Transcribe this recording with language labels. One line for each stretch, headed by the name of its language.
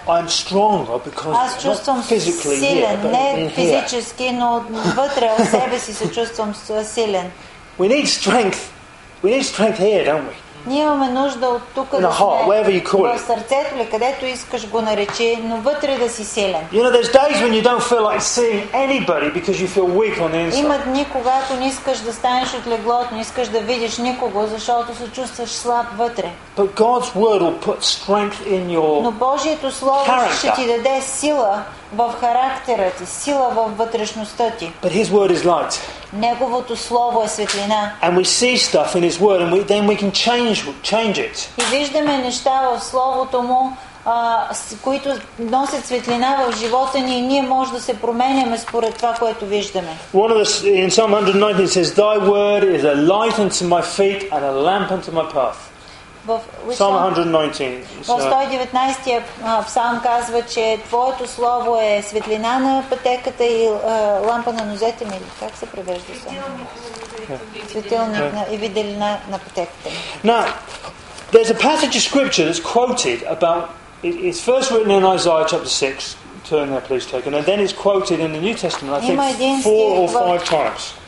Bulgarian: Аз чувствам силен, не физически, но вътре в себе си се чувствам силен.
English: We need strength. We need strength here, don't we?
Bulgarian: Ние имаме нужда от тук да сме в сърцето ли, където искаш го наречи, но вътре да си силен.
English: You know, there's days when you don't feel like seeing anybody because you feel weak on the inside.
Bulgarian: Има дни, когато не искаш да станеш от леглото, не искаш да видиш никого, защото се чувстваш слаб вътре.
English: But God's word will put strength in your
Bulgarian: Но Божието слово ще ти даде сила в характера ти, сила в вътрешността ти.
English: But His word is light.
Bulgarian: Неговото слово е светлина.
English: And we see stuff in His word, and then we can change it.
Bulgarian: И виждаме неща в словото му, които носят светлина в живота ни, и ние може да се променяме според това, което виждаме.
English: One of the in Psalm 119 says, "Thy word is a light unto my feet and a lamp unto my path." Psalm 119.
Bulgarian: So, 119-я псалм казва, че твоето слово е светлина на пътеката и лампа на нозете ми. Как се превежда това? Светилник и виделина на пътеката ми.
English: Now, there's a passage of scripture that's quoted about, it's first written in Isaiah chapter 6. Turn there, please, take it. And then it's quoted in the New Testament, I think, 4 or 5 times.